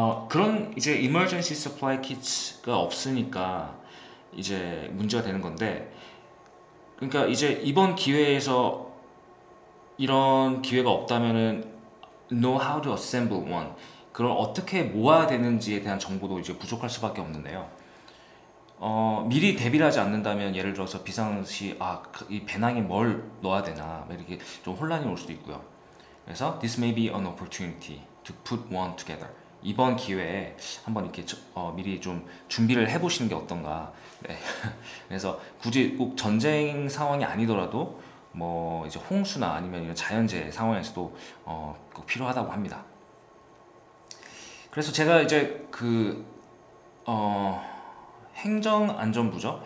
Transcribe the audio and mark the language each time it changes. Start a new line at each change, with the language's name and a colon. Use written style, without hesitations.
Korean: 그런 이제 emergency supply kit가 없으니까 이제 문제가 되는 건데 그러니까 이제 이번 기회에서 이런 기회가 없다면은
English: know how to assemble one
Korean: 그걸 어떻게 모아야 되는지에 대한 정보도 이제 부족할 수밖에 없는데요. 미리 대비를 하지 않는다면 예를 들어서 비상시 이 배낭에 뭘 넣어야 되나 이렇게 좀 혼란이 올 수도 있고요.
English: 그래서 this may be an opportunity to put one together.
Korean: 이번 기회에 한번 이렇게 미리 좀 준비를 해보시는 게 어떤가. 네. 그래서 굳이 꼭 전쟁 상황이 아니더라도 뭐 이제 홍수나 아니면 이런 자연재해 상황에서도 꼭 필요하다고 합니다. 그래서 제가 이제 그 행정안전부죠.